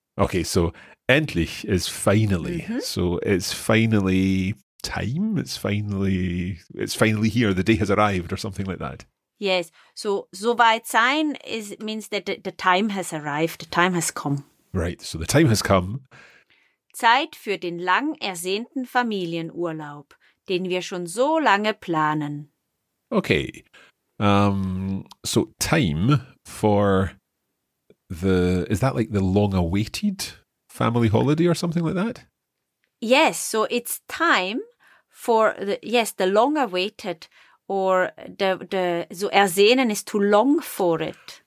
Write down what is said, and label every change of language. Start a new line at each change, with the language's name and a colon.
English: Okay, so endlich is finally. Mm-hmm. So it's finally time. It's finally here. The day has arrived or something like that. Yes. So soweit sein means that the time has arrived. The time has come. Right. So the time has come.
German: Zeit für den lang ersehnten Familienurlaub, den wir schon so lange planen.
English: Okay. So time for the, is that like the long-awaited family holiday or something like that? Yes, so it's time for the long-awaited or the so ersehnen is to long for it.